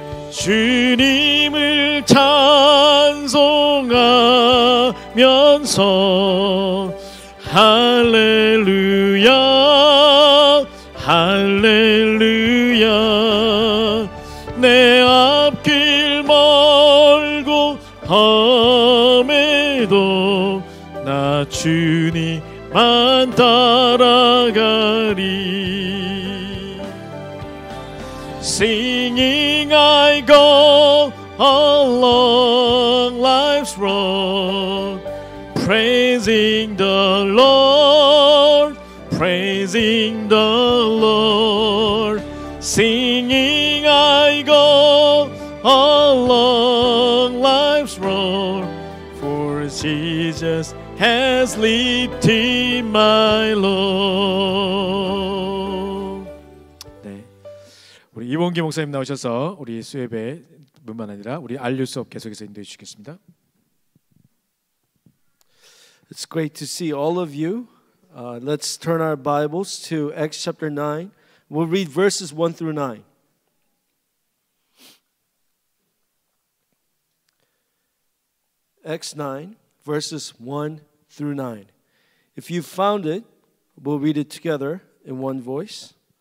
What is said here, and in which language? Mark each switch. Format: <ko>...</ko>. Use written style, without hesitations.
<ko>주님을 찬송하면서 할렐루야 할렐루야. 내 앞길 멀고 험해도 나 주님만 따라가리.</ko> <en>Singing I go along life's road, praising the Lord, praising the Lord. Singing I go along life's road, for Jesus has lifted my load.</en> <ko>네, 우리 이봉기 목사님 나오셔서 우리 수협회뿐만 아니라 우리 알류 수업 계속해서 인도해 주시겠습니다.</ko> <en>It's great to see all of you. Let's turn our Bibles to Acts chapter 9. We'll read verses 1 through 9. Acts 9, verses 1 through 9. If you found it, we'll read it together in one voice.</en>